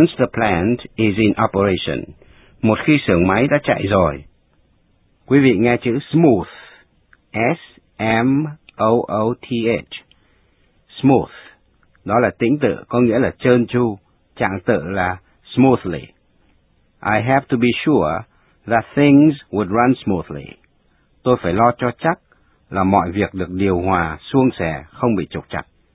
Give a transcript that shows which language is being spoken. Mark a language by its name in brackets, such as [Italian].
[English] Once the plant is in operation, [Vietnamese] một khi xưởng máy đã chạy rồi. Quý vị nghe chữ smooth, S-M-O-O-T-H, smooth. Đó là tĩnh tự, có nghĩa là trơn tru, trạng tự là smoothly. [English] I have to be sure that things would run smoothly. [Vietnamese] Tôi phải lo cho chắc là mọi việc được điều hòa, suôn sẻ, không bị trục trặc.